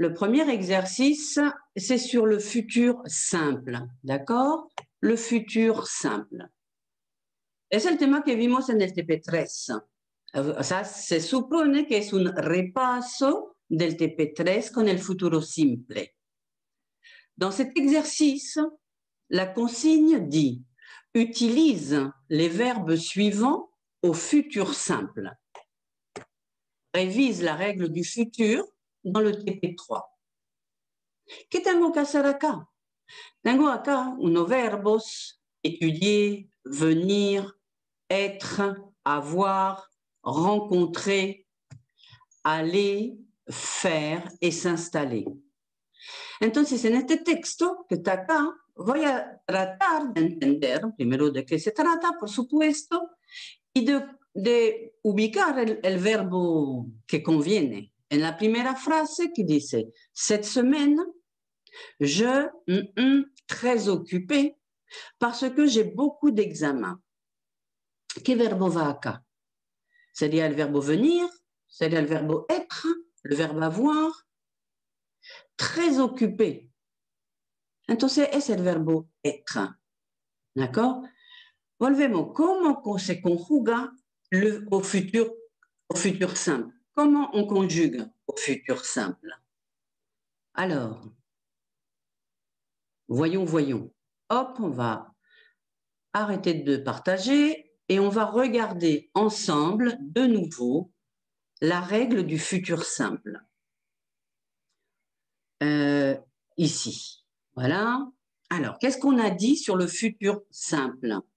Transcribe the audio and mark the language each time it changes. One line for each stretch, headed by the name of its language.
French: Le premier exercice, c'est sur le futur simple. D'accord? Le futur simple.
Spanish: Es el tema que vimos en el TP13. O sea, se supone que es un repaso del TP3 con el futuro simple.
French: Dans cet exercice, la consigne dit utilise les verbes suivants au futur simple. Révise la règle du futur dans le TP3.
Spanish: ¿Qué tengo que hacer acá? Tengo acá unos verbos: étudier, venir, être, avoir.
French: Rencontrer, aller, faire et s'installer.
Spanish: Entonces, en este texto que está acá, voy a tratar de entender primero de qué se trata, por supuesto, y de ubicar el verbo que conviene. En la primera frase que dice,
French: cette semaine, je très occupé parce que j'ai beaucoup d'examens.
Spanish: ¿Qué verbo va acá? Sería el verbo venir, sería el verbo être, el verbo avoir.
French: Très occupé.
Spanish: Entonces, es el verbo être. ¿D'accord? Volvemos. ¿Cómo se conjuga
French: au futur simple? ¿Cómo on conjugue au futur simple? Alors, voyons, voyons. Hop, on va arrêter de partager. Et on va regarder ensemble de nouveau la règle du futur simple. Ici. Voilà. Alors, qu'est-ce qu'on a dit sur le futur simple?